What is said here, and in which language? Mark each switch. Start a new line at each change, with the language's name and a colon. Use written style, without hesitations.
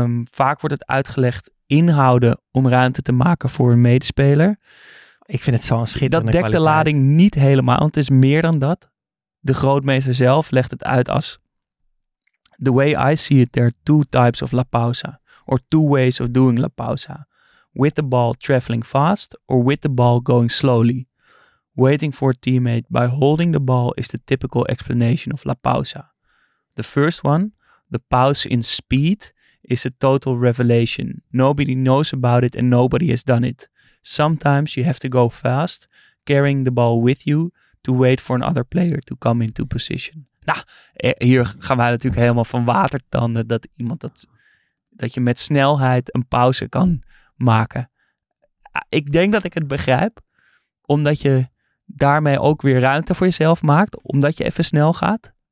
Dutch: Vaak wordt het uitgelegd inhouden om ruimte te maken voor een medespeler. Ik vind het zo'n schitterende kwaliteit. Dat dekt kwaliteit. De lading niet helemaal, want het is meer dan dat. De grootmeester zelf legt het uit als,
English: the way I see it, there are two types of La Pausa. Or two ways of doing La Pausa. With the ball traveling fast, or with the ball going slowly. Waiting for a teammate by holding the ball is the typical explanation of La Pausa. The first one, the pause in speed, is a total revelation. Nobody knows about it and nobody has done it. Sometimes you have to go fast, carrying the ball with you, to wait for another player to come into position.
Dutch: Nou, hier gaan wij natuurlijk helemaal van watertanden dat iemand dat je met snelheid een pauze kan maken. Ik denk dat ik het begrijp, omdat je daarmee ook weer ruimte voor jezelf maakt, omdat je even snel gaat.